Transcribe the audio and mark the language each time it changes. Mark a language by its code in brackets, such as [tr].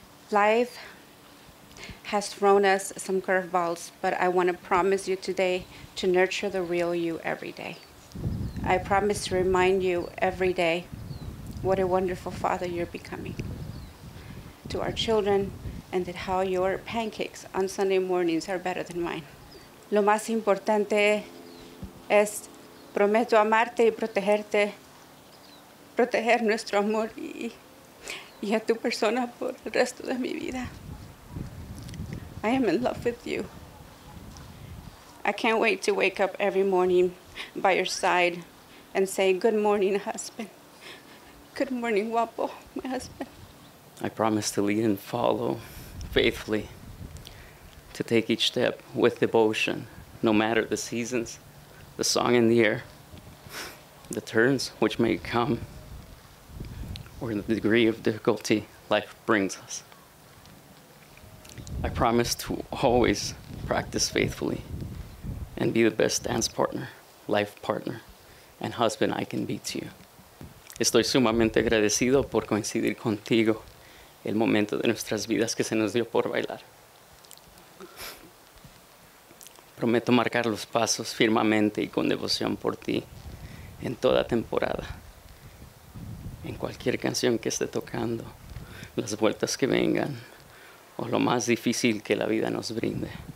[en] Life has thrown us some curveballs, but I want to promise you today to nurture the real you every day. I promise to remind you every day what a wonderful father you're becoming to our children, and that how your pancakes on Sunday mornings are better than mine. [es] Lo más importante es prometo amarte y protegerte, proteger nuestro amor y a tu persona por el resto de mi vida. [en] I am in love with you. I can't wait to wake up every morning by your side and say, good morning, husband. Good morning, guapo, my husband. I promise to lead and follow faithfully, to take each step with devotion, no matter the seasons, the song in the air, the turns which may come, or the degree of difficulty life brings us. I promise to always practice faithfully and be the best dance partner, life partner, and husband I can be to you. [es] Estoy sumamente agradecido por coincidir contigo el momento de nuestras vidas que se nos dio por bailar. Prometo marcar los pasos firmemente y con devoción por ti en toda temporada, en cualquier canción que esté tocando, las vueltas que vengan, o lo más difícil que la vida nos brinde.